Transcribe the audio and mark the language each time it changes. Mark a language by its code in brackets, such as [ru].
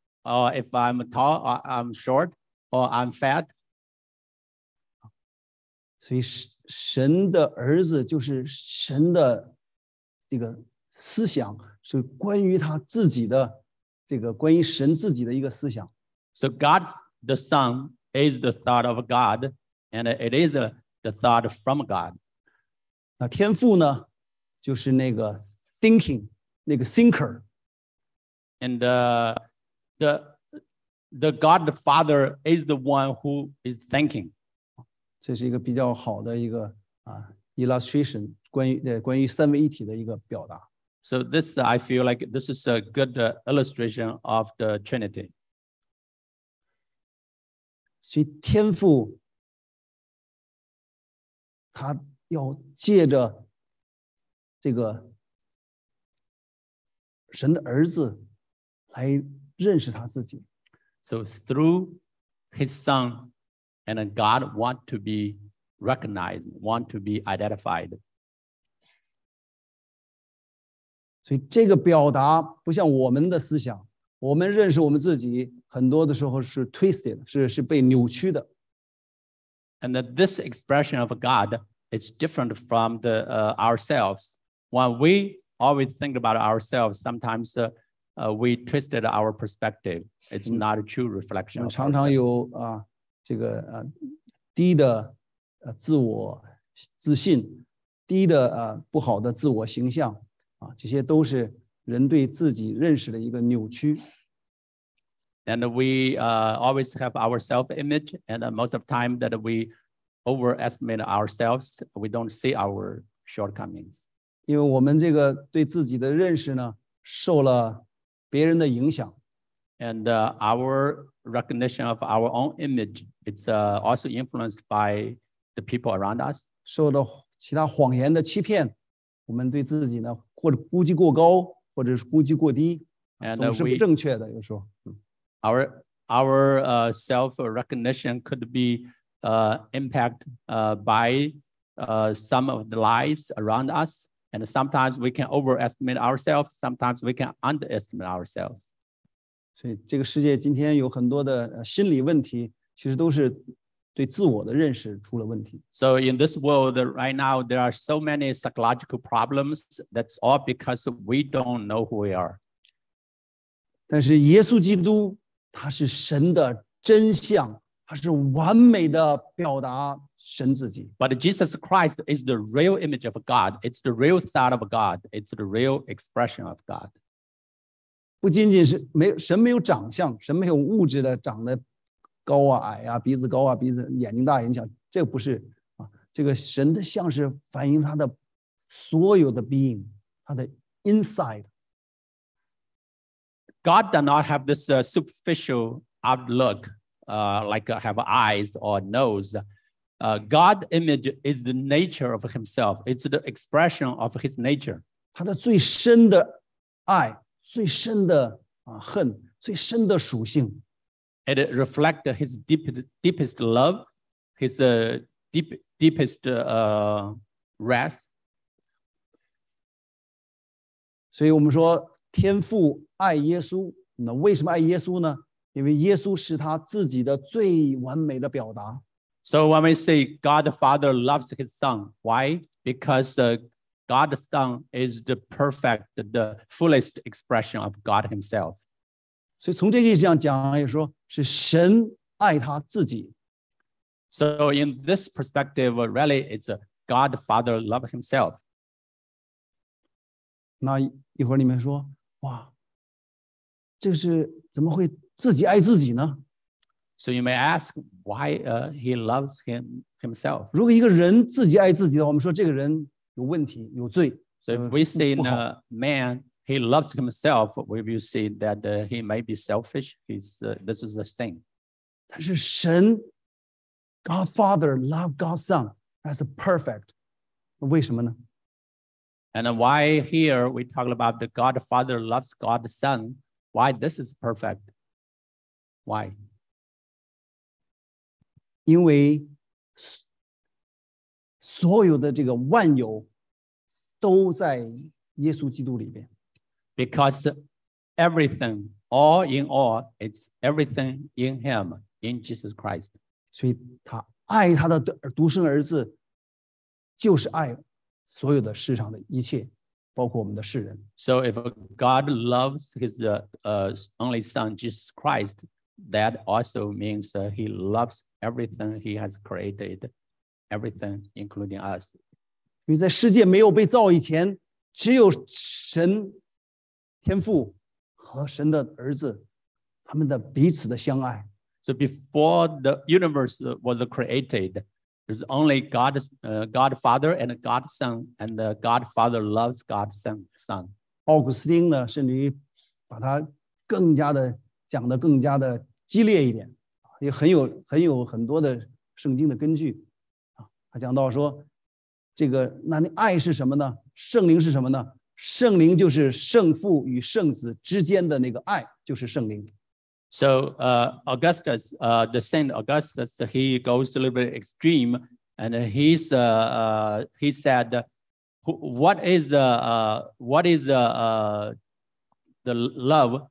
[en] Or if I'm tall or I'm short or I'm fat? [zh] 所以神的儿子就是神的这个思想。是关于他自己的这个关于神自己的一个思想。 [en] So God the Son is the thought of God, and it is the thought from God. [zh] 那天父呢，就是那个 thinking, 那个 thinker. [en] And the God the Father is the one who is thinking. [zh] 这是一个比较好的一个illustration, 关于三位一体的一个表达。 [en] So this, I feel like this is a good illustration of the Trinity. [zh] 所以天父他要借着这个神的儿子来认识他自己。 [en] So through his son and God want to be recognized, want to be identified. [zh] 所以这个表达不像我们的思想，我们认识我们自己很多的时候是 twisted, 是被扭曲的。 [en] And that this expression of God is different from the, ourselves. When we always think about ourselves, sometimes we twisted our perspective. It's not a true reflection. [zh] 常常有这个低的自我自信，低的不好的自我形象。这些都是人对自己认识的一个扭曲。 [en] And we always have our self-image, and most of the time that we overestimate ourselves, we don't see our shortcomings. [zh] 因为我们这个对自己的认识呢，受了别人的影响。 [en] And our recognition of our own image, it's also influenced by the people around us. [zh] 受了其他谎言的欺骗，我们对自己呢或者估计过高，或者是估计过低，总是不正确的。有时候 [en] ，our self recognition could be impacted by some of the lies around us, and sometimes we can overestimate ourselves, sometimes we can underestimate ourselves. [zh] 所以，这个世界今天有很多的心理问题，其实都是对自我的认识出了问题。 [en] So in this world right now, there are so many psychological problems. That's all because we don't know who we are. [zh] 但是耶稣基督，他是神的真相，他是完美的表达神自己。 [en] But Jesus Christ is the real image of God. It's the real thought of God. It's the real expression of God. [zh] 不仅仅是神没有长相，神没有物质的长得。高啊矮啊鼻子高啊鼻子眼睛大眼睛小，这不是这个神的像是反映他的所有的 being, 他的 inside. [en] God does not have this superficial outlook, like have eyes or nose. God's image is the nature of himself. It's the expression of his nature. [zh] 他的最深的爱，最深的恨，最深的属性。 [en] It reflects his deepest love, his deepest wrath. [zh] 所以我们说天父爱耶稣，那为什么爱耶稣呢？因为耶稣是他自己的最完美的表达。 [en] So when we say God the Father loves his son, why? Because God the Son is the perfect, the fullest expression of God himself. [zh] 所以从这个意义上讲，也说是神爱他自己。 [en] So in this perspective, really, it's God the Father loves himself. [zh] 那一会儿你们说，哇，这是怎么会自己爱自己呢？ [en] So you may ask why he loves himself. [zh] 如果一个人自己爱自己的话，我们说这个人有问题，有罪。 [en] So if we say a man, he loves himself, we will say that he may be selfish. This is a sin. [zh] 但是神 [en] God Father loved God's Son as a perfect. [zh] 为什么呢？ [en] And why here we talk about the God Father loves God's Son, why this is perfect? Why? [zh] 因为所有的这个万有都在耶稣基督里边。 [en] Because everything, all in all, it's everything in him, in Jesus Christ. [zh] 所以他爱他的独生儿子，就是爱所有的世上的一切，包括我们的世人。 [en] So if God loves his only son, Jesus Christ,That also means he loves everything he has created, everything including us. [zh] 因为在世界没有被造以前，只有神、天父和神的儿子，他们的彼此的相爱。 [en] So before the universe was created, there's only God, God Father and God Son, and God Father loves God Son. [zh] 奥古斯丁呢，甚至于把他更加的讲得更加的激烈一点，也很有很多的圣经的根据，他讲到说，这个那爱是什么呢？圣灵是什么呢？圣灵就是圣父与圣子之间的那个爱，就是圣灵。 [en] So, Augustus, the Saint Augustus, he goes a little bit extreme, and he's he said, what is the love?